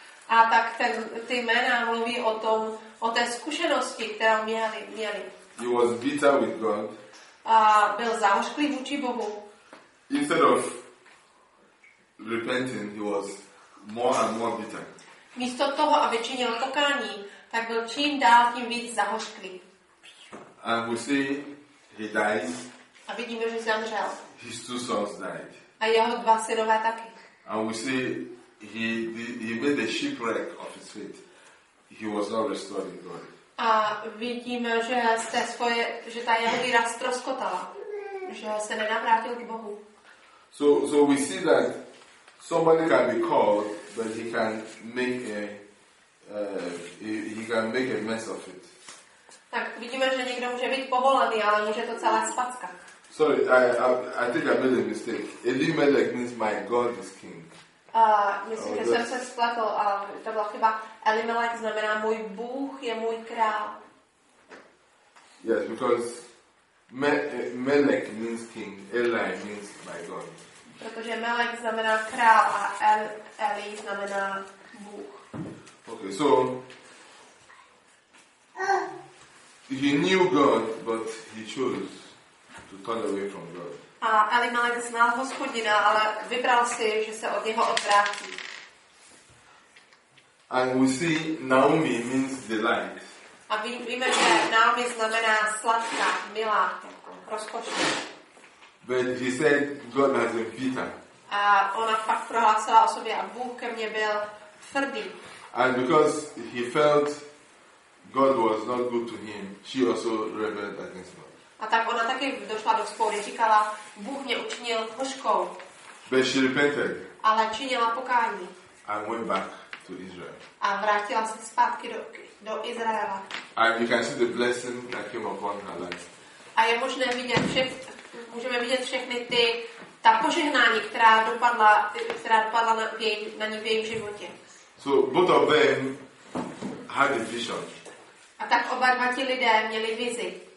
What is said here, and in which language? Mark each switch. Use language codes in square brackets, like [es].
[cs] A tak ty jména mluví o tom, o té zkušenosti, kterou měli. [en] He was bitter with God. [cs] A byl zahořklý vůči Bohu. [en] Instead of repenting, he was more and more bitter. [cs] Místo toho, aby činil pokání, tak byl čím dál tím víc zahořklý. [en] And we see he died. [cs] A vidíme, že zemřel. [en] His two sons died. [cs] A jeho dva synové taky. [en] And we see he made a shipwreck of his faith. He was not restored in God. [cs] A vidíme, že se svoje, že ta jeho víra ztroskotala, že se nenavrátil k Bohu. [en] So we see that somebody can be called, but he can make a mess of it. [cs] Tak vidíme, že někdo může být povolaný, ale může to celé spackat. [en] Sorry, I think I made a mistake. Elimelech means my God is king. [cs] Myslím, že jsem se spletl, ale to byla chyba. Elimelech znamená můj Bůh je můj král. [en] Yes, because Melech means king, Eli means my God. [cs] Protože Melech znamená král a Eli znamená Bůh. [en] Okay, so he knew God, but he chose to turn away from God. [cs] A Elimelech znal Hospodina, ale vybral si, že se od něho odvrátí. [en] And we see Naomi means delight. [cs] A víme, že Naomi znamená sladká, milá, rozkošná. [en] But he said God has been bitter. [cs] A ona pak prohlásila o sobě, a Bůh ke mně byl tvrdý. [en] And because he felt God was not good to him, she also rebelled against God. [cs] A tak ona taky došla do spory, říkala, Bůh mě učinil hořkou. [en] But she repented. [cs] Ale činila pokání. [en] And went back to Israel. [cs] A vrátila se zpátky do Izraela. [en] And you can see the blessing that came upon her life. [cs] A je možné vidět můžeme vidět všechny ty ta požehnání, která dopadla na ní v jejím životě. [en] So both of them had a vision. [cs] A tak oba dva ti lidé měli vizi.